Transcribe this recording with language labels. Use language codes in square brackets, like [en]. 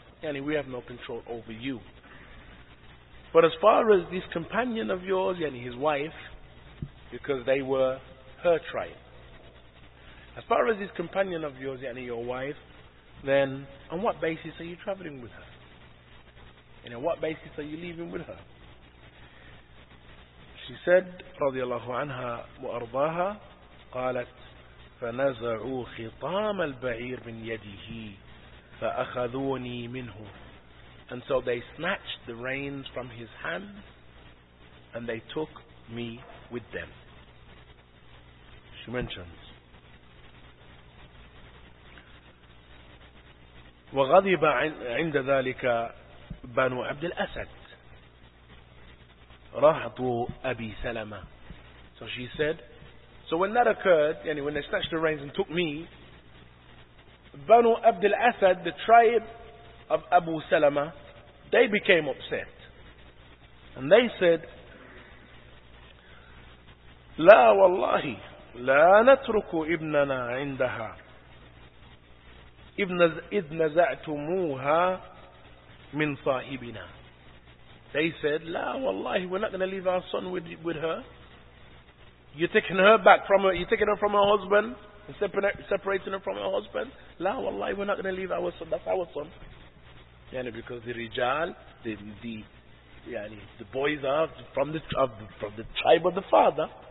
[en] Yani we have no control over you. But as far as this companion of yours, yani his wife, because they were her tribe. As far as this companion of yours, yani your wife, then on what basis are you traveling with her? And on what basis are you leaving with her? She said, [ar] رضي الله عنها وأرضاها, قالت فنزعوا خطام البعير من يديه فأخذوني منه. [en] And so they snatched the reins from his hand and they took me with them. She mentions, [ar] وغضب عند ذلك بنو عبد الأسد رهط أبي سلمة. [en] So she said, so when that occurred, yani when they snatched the reins and took me, بنو عبد الأسد, the tribe of Abu Salama, they became upset. And they said, [ar] لا والله لا نترك ابننا عندها إذ نزعتموها من صاحبنا. [en] They said, [ar] لا والله, [en] we're not going to leave our son with her. You're taking her back from her, you're taking her from her husband, and separating her from her husband. [ar] لا والله, [en] we're not going to leave our son, that's our son. Yani because the rijal, the boys are from the tribe of the father.